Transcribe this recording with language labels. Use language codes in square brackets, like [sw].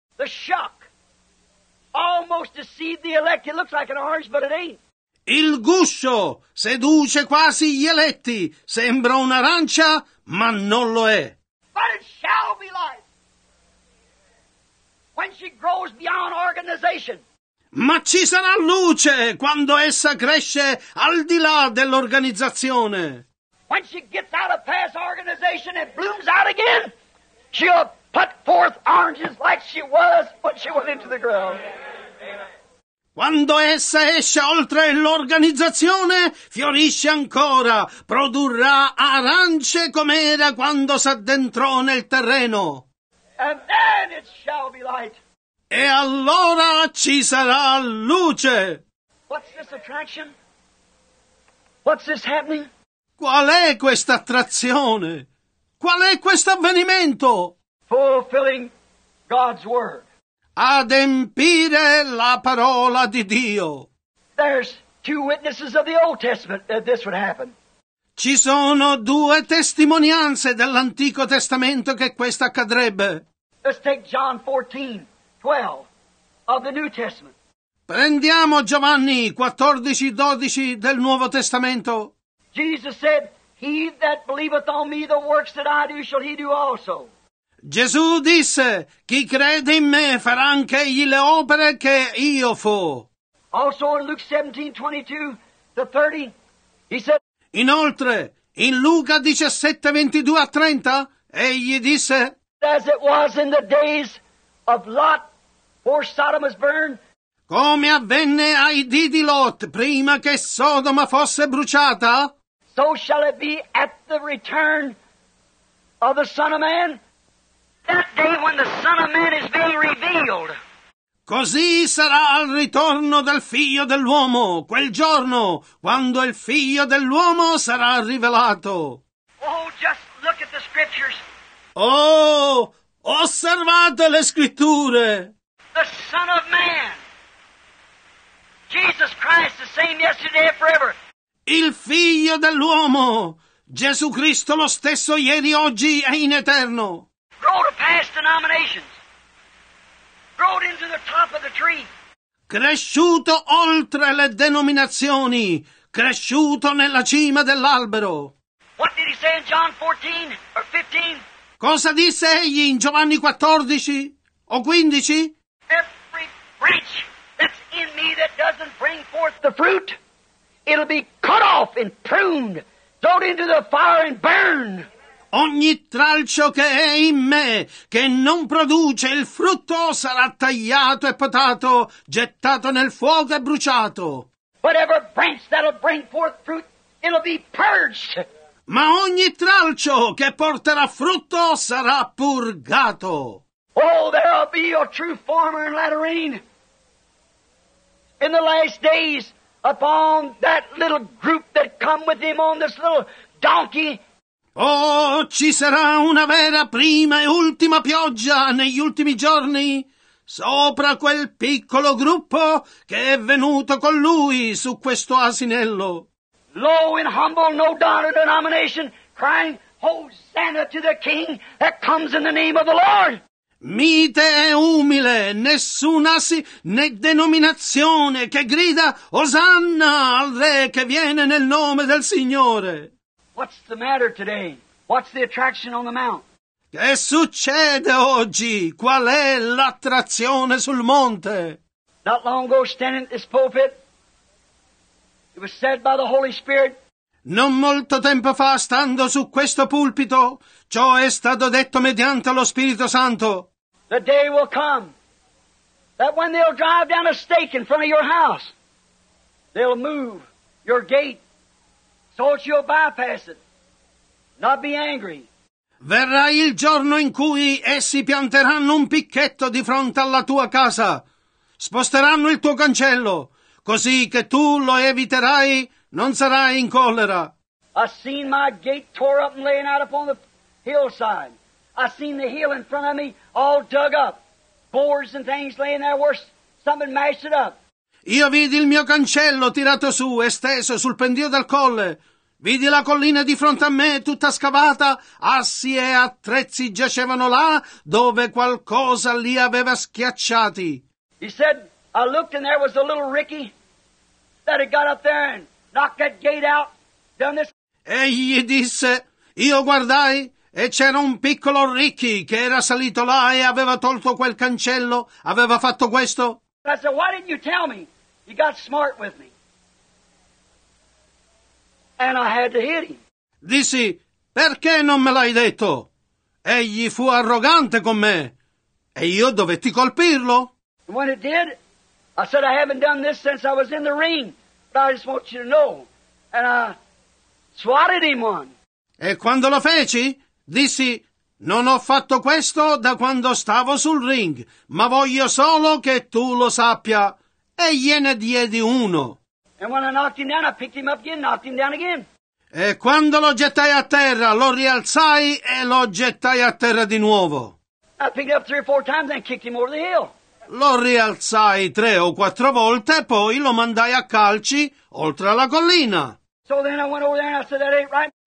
[en] The shock almost deceived the elect. It looks like an orange, but it ain't. [it] Il guscio seduce quasi gli eletti. Sembra un'arancia, ma non lo è. [en] But it shall be life when she grows beyond organization. [it] Ma ci sarà luce quando essa cresce al di là dell'organizzazione. [en] When she gets out of past organization and blooms out again, she'll put forth oranges like she was when she went into the ground. [it] Quando essa esce oltre l'organizzazione, fiorisce ancora, produrrà arance come era quando s'addentrò nel terreno. [en] And then it shall be light. [it] E allora ci sarà luce. [en] What's this attraction? What's this happening? [it] Qual è questa attrazione? Qual è questo avvenimento? [en] Fulfilling God's word. [it] Adempire la parola di Dio. [en] There's two witnesses of the Old Testament that this would happen. [it] Ci sono due testimonianze dell'Antico Testamento che questo accadrebbe. [en] Let's take John 14:12 of the New Testament. [it] Prendiamo Giovanni 14:12 del Nuovo Testamento. [en] Jesus said, "He that believeth on me, the works that I do, shall he do also." [it] Gesù disse, chi crede in me farà anche egli le opere che io fo. [en] Also in Luke 17:22-30, he said. [it] Inoltre, in Luca 17:22-30, egli disse. [en] As it was in the days of Lot, before Sodom was burned. [it] Come avvenne ai dì di Lot prima che Sodoma fosse bruciata. [en] So shall it be at the return of the Son of Man. That day when the Son of Man is being revealed. [it] Così sarà al ritorno del Figlio dell'Uomo, quel giorno, quando il Figlio dell'Uomo sarà rivelato. [en] Oh, just look at the scriptures. [it] Oh, osservate le scritture. [en] The Son of Man. Jesus Christ, the same yesterday and forever. [it] Il Figlio dell'Uomo, Gesù Cristo lo stesso ieri, oggi e in eterno. [en] Grow to past denominations. Grow into the top of the tree. [it] Cresciuto oltre le denominazioni, cresciuto nella cima dell'albero. [en] What did he say in John 14 or 15? [it] Cosa disse egli in Giovanni 14 o 15? [en] Every branch that's in me that doesn't bring forth the fruit, it'll be cut off and pruned, thrown into the fire and burned. [it] Ogni tralcio che è in me, che non produce il frutto, sarà tagliato e potato, gettato nel fuoco e bruciato. [en] Whatever branch that'll bring forth fruit, it'll be purged. [it] Ma ogni tralcio che porterà frutto sarà purgato. [en] Oh, there'll be a true farmer in Latterine in the last days upon that little group that come with him on this little donkey. [it] Oh, ci sarà una vera prima e ultima pioggia negli ultimi giorni sopra quel piccolo gruppo che è venuto con lui su questo asinello. [en] Low and humble, no daughter denomination, crying, Hosanna to the King that comes in the name of the Lord. [it] mite e umile, nessuna si né denominazione che grida Osanna al re che viene nel nome del Signore. [en] What's the matter today? What's the attraction on the mount? [it] Che succede oggi? Qual è l'attrazione sul monte? [en] Not long ago, standing at this pulpit, it was said by the Holy Spirit. [it] Non molto tempo fa, stando su questo pulpito, ciò è stato detto mediante lo Spirito Santo. [en] The day will come that when they'll drive down a stake in front of your house, they'll move your gate so that you'll bypass it, not be angry. [it] Verrà il giorno in cui essi pianteranno un picchetto di fronte alla tua casa, sposteranno il tuo cancello, così che tu lo eviterai. Non sarai in collera. [en] I seen my gate tore up and laying out upon the hillside. I seen the hill in front of me all dug up. Boards and things laying there where something mashed it up. [it] Io vidi il mio cancello tirato su, esteso sul pendio del colle. Vidi la collina di fronte a me tutta scavata. Assi e attrezzi giacevano là dove qualcosa li aveva schiacciati. [en] He said, I looked and there was a little Ricky that had got up there and knock that gate out, done this. [it] Egli disse, io guardai e c'era un piccolo Ricky che era salito là e aveva tolto quel cancello, aveva fatto questo. [en] I said, why didn't you tell me? He got smart with me. And I had to hit him. [it] Dissi, perché non me l'hai detto? Egli fu arrogante con me e io dovetti colpirlo. [en] And when it did, I said, I haven't done this since I was in the ring. I just want you to know. And I swatted him one. [it] E quando lo feci, dissi, non ho fatto questo da quando stavo sul ring, ma voglio solo che tu lo sappia. E gliene diedi uno. [en] And when I knocked him down, I picked him up again, knocked him down again. [it] E quando lo gettai a terra, lo rialzai e lo gettai a terra di nuovo. [en] I picked him up three or four times and kicked him over the hill. [it] Lo rialzai tre o quattro volte, poi lo mandai a calci oltre la collina. [en] So then I went over there and I said, that ain't right.